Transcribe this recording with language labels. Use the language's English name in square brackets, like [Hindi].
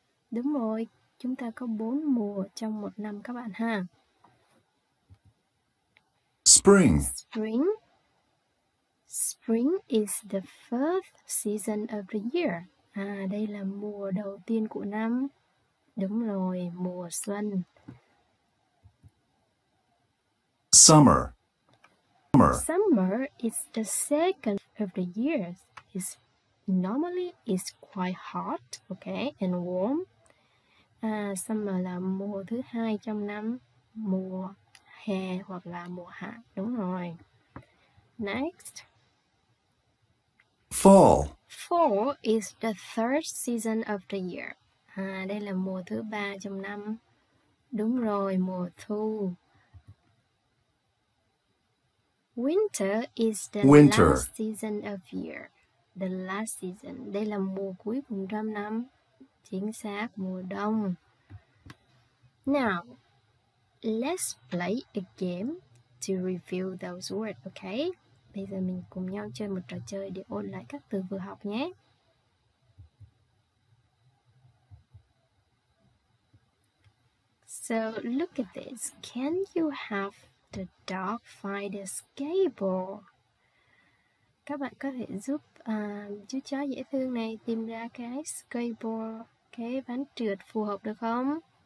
[Vietnamese] Đúng rồi, chúng ta có bốn mùa trong một năm các bạn ha. [English] Spring. Spring. Spring is the first season of the year. [Vietnamese] À, đây là mùa đầu tiên của năm. Đúng rồi, mùa xuân. [English] Summer. Summer. Summer is the second of the year. It's normally is quite hot, okay, and warm. [Vietnamese] À, summer là mùa thứ hai trong năm, mùa hè hoặc là mùa hạ. Đúng rồi. [English] Next. Fall. Fall is the third season of the year. [Vietnamese] À, đây là mùa thứ ba trong năm. Đúng rồi, mùa thu. [English] Winter is the winter. Last season of year. The last season. [Vietnamese] Đây là mùa cuối cùng trong năm. Chính xác, mùa đông. [English] Now, let's play a game to review those words, okay? [Vietnamese] Bây giờ mình cùng nhau chơi một trò chơi để ôn lại các từ vừa học nhé. [English] So, look at this. Can you help the dog find a skateboard? [Vietnamese] Các bạn có thể giúp chú chó dễ thương này tìm ra cái skateboard, cái ván trượt phù hợp được không?